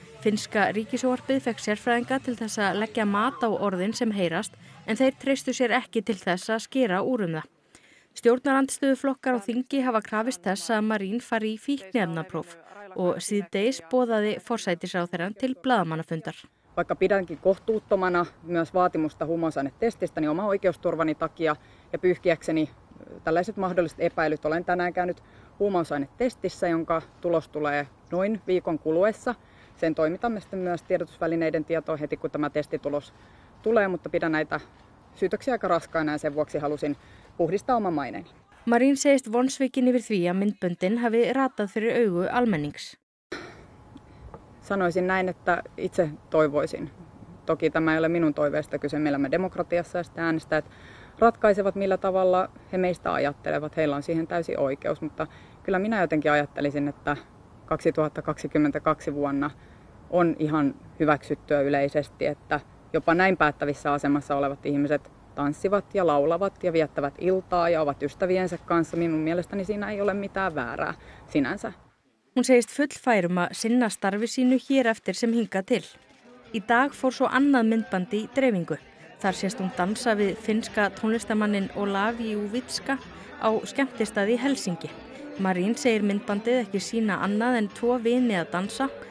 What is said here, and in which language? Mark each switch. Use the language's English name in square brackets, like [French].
[Icelandic] Finnska ríkisjóvarpið fekk sérfræðinga til þess að leggja mat á orðin sem heyrast en þeir treystu sér ekki til þess að skera úr það. Stjórnarandstöðuflokkar á þingi hafa krafist þess að Marín fari í fíkniefnapróf og síðdeis boðaði forsætisráðherran til blaðamannafundar. [Finnish] Vaikka pidänkin kohtuuttomana myös vaatimusta huumausainetestistä, niin oma oikeusturvani takia ja pyyhkiäkseni tällaiset mahdolliset epäilyt olen tänään käynyt huumausainetestissä, jonka tulos tulee noin viikon kuluessa. Sen toimitamme sitten myös tiedotusvälineiden tietoa heti, kun tämä testitulos tulee, mutta pidän näitä syytöksiä aika raskaina ja sen vuoksi halusin puhdistaa oman maineeni. [Icelandic] Marin segist vonsvikin yfir því að myndböndin hafi ratað fyrir augu almennings. [Finnish] Sanoisin näin, että itse toivoisin. Toki tämä ei ole minun toiveesta kyse, millä me demokratiassa ja sitten äänestäjät ratkaisevat, millä tavalla he meistä ajattelevat. Heillä on siihen täysi oikeus, mutta kyllä minä jotenkin ajattelisin, että 2022 vuonna on ihan hyväksyttyä yleisesti, että jopa näin päättävissä asemassa olevat ihmiset tanssivat ja laulavat ja viettävät iltaa ja ovat ystäviensä kanssa. Minun mielestäni siinä ei ole mitään väärää sinänsä. [Icelandic] Hún segist fullfærum að sinna starfi sínu hér eftir sem hinga til. Í dag fór svo annað myndband í dreifingu. Þar sést hún dansa við finnska tónlistamanninn Olavi Uvitska á skemmtistað í Helsingi. Marín segir myndbandið ekki sína annað en tvo vini að dansa.